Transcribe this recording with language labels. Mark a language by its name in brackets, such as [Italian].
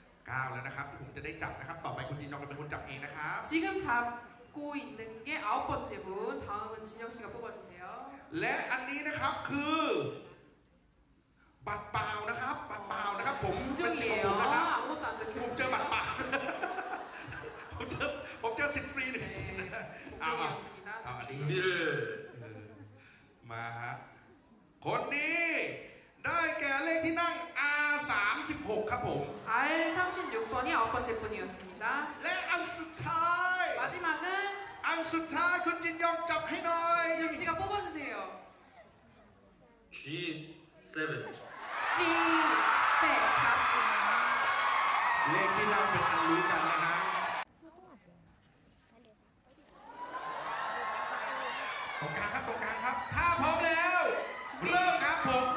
[Thai] 9แล้วนะครับผมจะได้จับนะครับต่อไปคุณจินยองจะเป็นคนจับเองนะครับ [Korean] 지금잡고있는게9번째분다음은진영씨가뽑아주세요 [Thai] และอันนี้นะครับคือบัตรเปล่านะครับบัตรเปล่านะครับผมเป็นสิทธิ์ของผมนะครับผมเจอบัตรเปล่าผมเจอสิทธิ์ฟรีหนึ่ง เอาดีเลย มาฮะคนนี้ได้แก่เลขที่นั่ง R36 ครับผม [Korean] R36번이9번째분이었습니다 [Thai] และอันสุดท้าย มาที่มาเงิน อันสุดท้ายคุณจินยองจับให้หน่อย ยังชิกาบอกว่าจะเสียว G7 G7 ครับ เลขที่นั่งเป็นอันรู้กันนะฮะตรงกลางครับตรงกลางครับถ้าพร้อมแล้วเริ่มครับผม